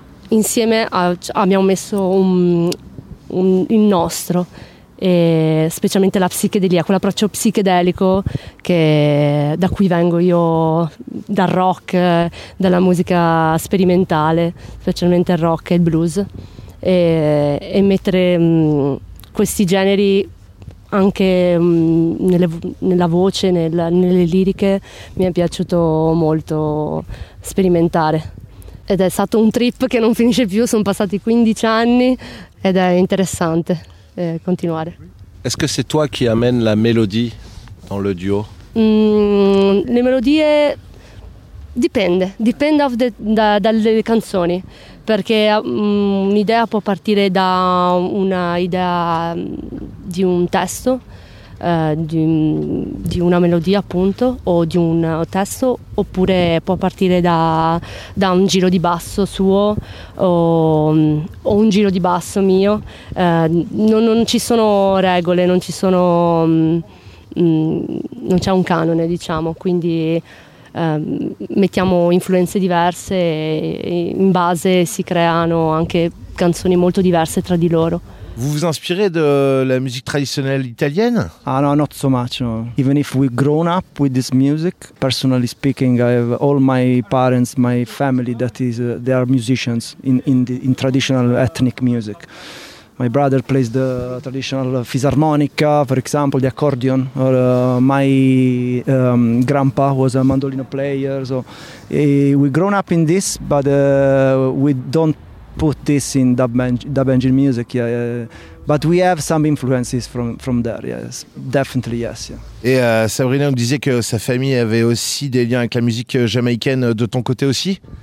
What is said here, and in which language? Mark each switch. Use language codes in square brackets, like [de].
[it] insieme abbiamo messo il nostro, e specialmente la psichedelia, quell'approccio psichedelico che da cui vengo io, dal rock, dalla musica sperimentale, specialmente il rock e il blues, e mettere questi generi anche nella voce, nelle liriche, mi è piaciuto molto sperimentare. Ed è stato un trip che non finisce più, sono passati 15 anni ed è interessante. Continuare. [fr] Est-ce que c'est toi qui amènes la mélodie dans le duo? [it] Le melodie dipende dalle canzoni, perché un'idea può partire da una idea di un testo, di una melodia appunto, o di un testo, oppure può partire da un giro di basso suo o un giro di basso mio. Non ci sono regole, non ci sono non c'è un canone, diciamo, quindi mettiamo influenze diverse e in base si creano anche canzoni molto diverse tra di loro. [fr] Vous vous inspirez de la musique traditionnelle italienne? [en] Ah no, not so much. No. Even if we grown up with this music, personally speaking, I have all my parents, my family, that is, they are musicians in traditional ethnic music. My brother plays the traditional fisarmonica, for example, the accordion. Or my grandpa was a mandolino player. So we grown up in this, but we don't put this in dub engine music. Yeah, but we have some influences from there. Yes, definitely yes. Yeah. [fr] Et Sabrina nous disait que sa famille avait aussi des liens avec la musique jamaïcaine de ton côté aussi.